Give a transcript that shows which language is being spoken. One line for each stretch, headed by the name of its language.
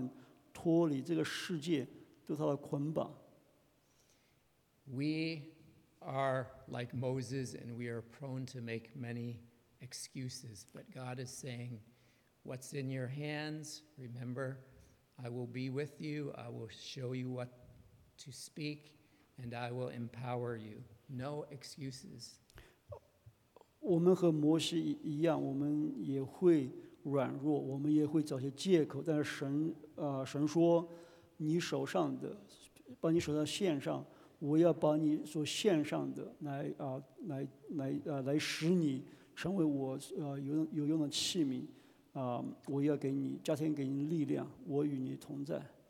Chinese: 对我们来讲，这也是神给我们的一个任务，就是用我们所处的环境，不管是我们在我们的工作当中，还是在我们的生活当中，用我们来使这些人，使我们周围的人，带领他们脱离这个世界对他的捆绑。
English: We are like Moses, and we are prone to make many excuses, but God is saying, what's in your hands, remember, I will be with you, I will show you what to speak, and I will empower you. No excuses.
Chinese: 我们和摩西一样，我们也会软弱，我们也会找些借口，但是神说，你手上的，把你手上献上， 我要把你所献上的来使你成为我有用的器皿，我要给你加添给你力量，我与你同在。